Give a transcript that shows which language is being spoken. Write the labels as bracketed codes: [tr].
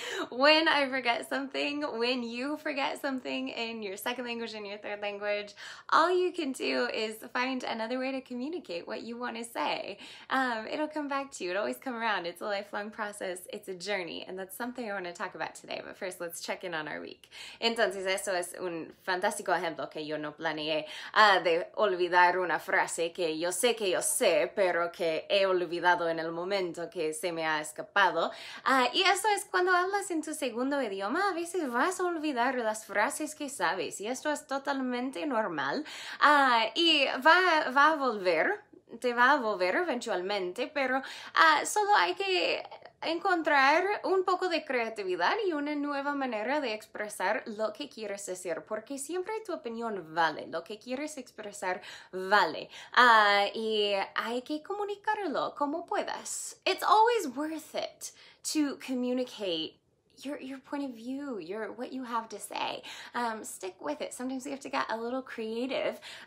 [en] When I forget something, when you forget something in your second language, in your third language, all you can do is find another way to communicate what you want to say. It'll come back to you, it always comes around. It's a lifelong process, it's a journey, and that's something I want to talk about today, but first let's check in on our week. [es] Entonces, eso es un fantástico ejemplo que yo no planeé de olvidar una frase que yo sé, pero que he olvidado en el momento que se me ha escapado. Y eso es cuando hablas en tu segundo idioma, a veces vas a olvidar las frases que sabes, y esto es totalmente normal. Y va a volver eventualmente, pero solo hay que encontrar un poco de creatividad y una nueva manera de expresar lo que quieres decir, porque siempre tu opinión vale, lo que quieres expresar vale, y hay que comunicarlo como puedas. [en] It's always worth it to communicate your point of view, your what you have to say. Stick with it. Sometimes you have to get a little creative.